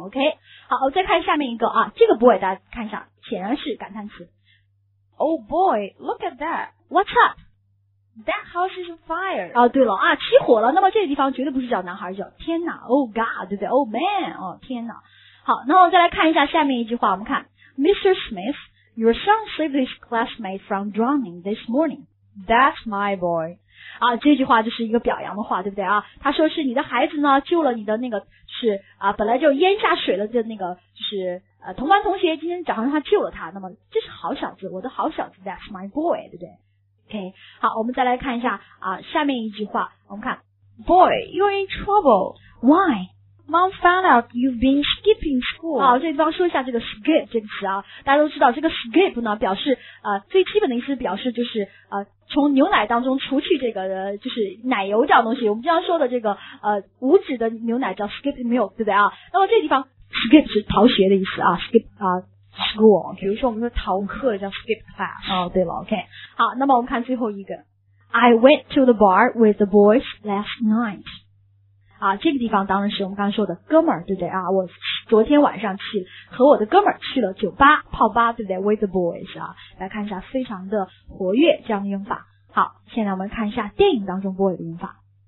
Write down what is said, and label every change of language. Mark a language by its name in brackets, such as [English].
[Chinese] OK, 好，我再看下面一个啊，这个 boy 大家看一下，显然是感叹词。 [English] Oh boy, look at that. What's up? That house is on fire. [Chinese] 哦，对了啊，起火了。那么这个地方绝对不是叫男孩，叫天哪 ， [English] Oh God, [Chinese] 对不对 ？ [English] Oh man, [Chinese] 哦天哪。好，那我再来看一下下面一句话。我们看 ，Mr. [English] Smith, your son saved his classmate from drowning this morning. That's my boy. [Chinese] 啊，这句话就是一个表扬的话，对不对啊？他说是你的孩子呢，救了你的那个是啊，本来就淹下水了的那个就是。同班同学今天早上他救了他，那么这是好小子，我的好小子 ， [English] That's my boy, [Chinese] 对不对？ OK, 好，我们再来看一下啊，下面一句话，我们看 [English] ，Boy, you're in trouble. Why? Mom found out you've been skipping school. [Chinese] 好，这地方说一下这个 skip 这个词啊，大家都知道这个 skip 呢，表示最基本的意思表示就是从牛奶当中除去这个就是奶油这样东西，我们经常说的这个无脂的牛奶叫 skip milk, 对不对啊？那么这地方 skip 是逃学的意思啊 ，skip 啊。School, 比如说我们的逃课叫 [English] skip class. [Chinese] 哦，对了 ，OK. 好，那么我们看最后一个。 [English] I went to the bar with the boys last night. [Chinese] 啊，这个地方当然是我们刚才说的哥们儿，对不对啊？我昨天晚上去和我的哥们儿去了酒吧泡吧，对不对 ？ [English] With the boys [Chinese] 啊，来看一下，非常的活跃这样的用法。好，现在我们看一下电影当中 boy 的用法。